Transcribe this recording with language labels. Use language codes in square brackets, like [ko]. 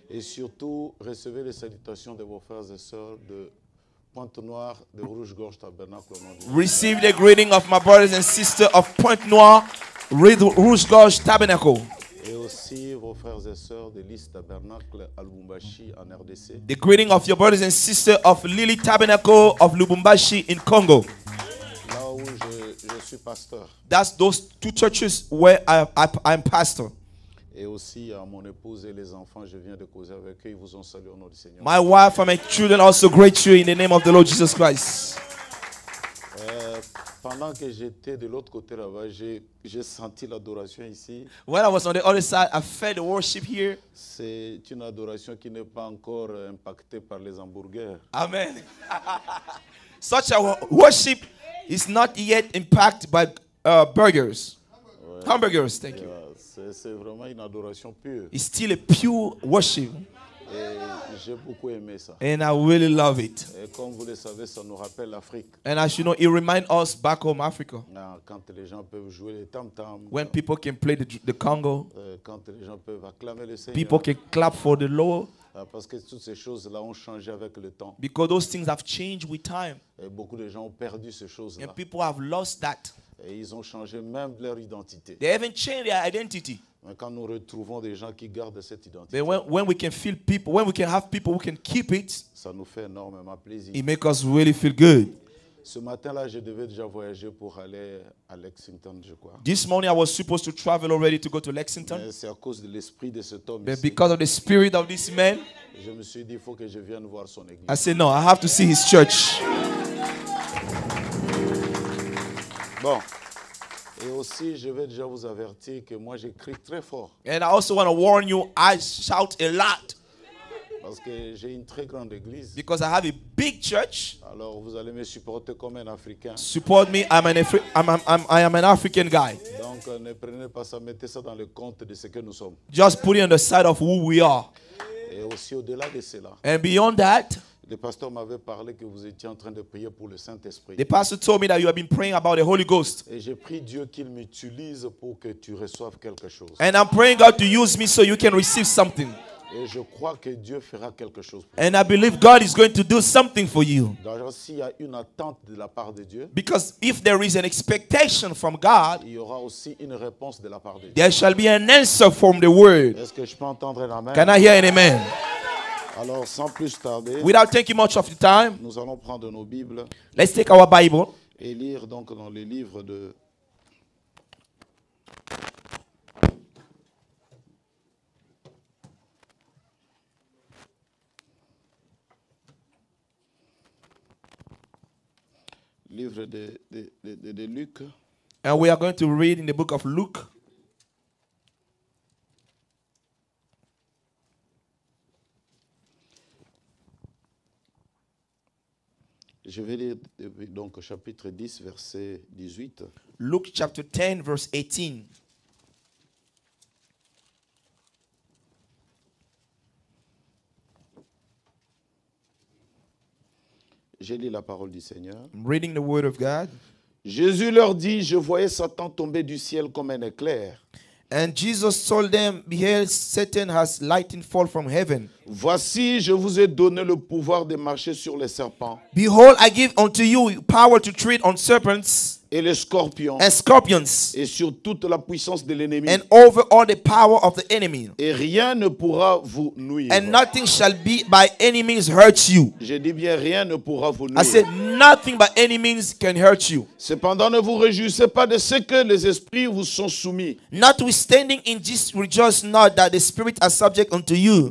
[fr] Et surtout, recevez les salutations de vos frères et sœurs de Pointe Noire, de Rouge Gorge Tabernacle. [en] Receive the greeting of my brothers and sisters of Pointe Noire, Rouge Gorge Tabernacle. [fr] Et aussi vos frères et sœurs de Lille Tabernacle à Lubumbashi en RDC. [en] The greeting of your brothers and sisters of Lille Tabernacle of Lubumbashi in Congo. [fr] Là où je suis pasteur. [en] That's those two churches where I'm pastor. [fr] Et aussi à mon épouse et les enfants, je viens de causer avec eux. Ils vous ont salué au nom du Seigneur. [en] My wife and my children also greet you in the name of the Lord Jesus Christ. [fr] Pendant que j'étais de l'autre côté là-bas, j'ai senti l'adoration ici. [en] When I was on the other side, I felt the worship here. [fr] C'est une adoration qui n'est pas encore impactée par les hamburgers. Amen. [en] Such a worship is not yet impacted by burgers. [fr] Ouais. [en] Hamburgers, thank you. [fr] C'est vraiment une adoration pure. [en] It's still a pure worship. [fr] Et j'ai beaucoup aimé ça. [en] And I really love it. [fr] Et comme vous le savez, ça nous rappelle l'Afrique. [en] And as you know, it reminds us back home Africa. [fr] Quand les gens peuvent jouer les tam-tam. [en] When people can play the congo. [fr] Quand les gens peuvent acclamer le Seigneur. [en] People can clap for the Lord. [fr] Parce que toutes ces choses-là ont changé avec le temps. [en] Because those things have changed with time. [fr] Et beaucoup de gens ont perdu ces choses-là. [en] And people have lost that. [fr] Et ils ont changé même leur identité. [en] They haven't changed their identity. [fr] Mais quand nous retrouvons des gens qui gardent cette identité. [en] But when we can feel people, when we can have people who can keep it, [fr] ça nous fait énormément plaisir. [en] It makes us really feel good. [fr] Ce matin-là, je devais déjà voyager pour aller à Lexington, je crois. [en] This morning, I was supposed to travel already to go to Lexington. [fr] Mais c'est à cause de l'esprit de cet homme. [en] But [fr] ici. [en] Because of the spirit of this man, [fr] je me suis dit, il faut que je vienne voir son église. [en] I said, no, I have to see his church. [fr] Bon. Et aussi, je vais déjà vous avertir que moi, j'écris très fort. [en] And I also want to warn you, I shout a lot. [fr] Parce que j'ai une très grande église. [en] Because I have a big church. [fr] Alors vous allez me supporter comme un Africain. [en] Support me, I am an African guy. [fr] Donc ne prenez pas ça, mettez ça dans le compte de ce que nous sommes. [en] Just put it on the side of who we are. [fr] Et aussi au-delà de cela. [en] And beyond that. [fr] Le pasteur m'avait parlé que vous étiez en train de prier pour le Saint-Esprit. [en] The pastor told me that you have been praying about the Holy Ghost. [fr] Et j'ai prié Dieu qu'il m'utilise pour que tu reçoives quelque chose. [en] And I'm praying God to use me so you can receive something. [fr] Et je crois que Dieu fera quelque chose pour [en] And [fr] toi. [en] I believe God is going to do something for you. [fr] Donc s'il y a une attente de la part de Dieu. [en] Because if there is an expectation from God, [fr] il y aura aussi une réponse de la part de [en] there [fr] Dieu. [en] There shall be an answer from the word. [fr] Est-ce que je peux entendre un amen? [en] Can I hear an amen? [fr] Alors, sans plus tarder, [en] without taking much of the time, [fr] nous allons prendre nos Bibles. [en] Let's take our Bible [fr] et lire donc dans les livres de livre de Luc. [en] And we are going to read in the book of Luke. [fr] Je vais lire donc au chapitre 10, verset 18. [en] Luke chapter 10, verse 18. [fr] Je lis la parole du Seigneur. [en] I'm reading the word of God. [fr] Jésus leur dit, je voyais Satan tomber du ciel comme un éclair. [en] And Jesus told them, behold, Satan has lightning fall from heaven. [fr] Voici, je vous ai donné le pouvoir de marcher sur les serpents. [en] Behold, I give unto you power to tread on serpents. [fr] Et les scorpions. [en] And scorpions. [fr] Et sur toute la puissance de l'ennemi. [en] And over all the power of the enemy. [fr] Et rien ne pourra vous nuire. [en] And nothing shall be by any means hurt you. [fr] Je dis bien rien ne pourra vous nuire. [en] I said nothing by any means can hurt you. [fr] Cependant, ne vous réjouissez pas de ce que les esprits vous sont soumis. [en] Notwithstanding, in this rejoice not that the spirits are subject unto you.